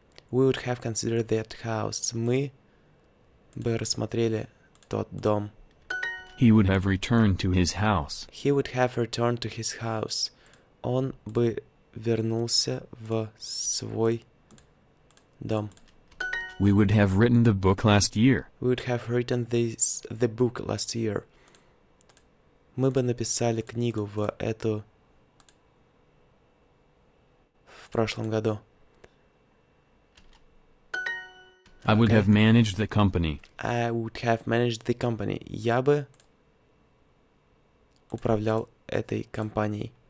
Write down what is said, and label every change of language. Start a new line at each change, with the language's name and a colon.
English: We would have considered that house.
Russian: Мы бы рассмотрели тот дом.
English: He would have returned to his house. He would have returned to his house.
Russian: Он бы вернулся в свой дом.
English: We would have written the book last year. We would have written the book last year.
Russian: Мы бы написали книгу в эту в прошлом году.
English: I would have managed the company. I would have managed the company.
Russian: Я бы управлял этой компанией.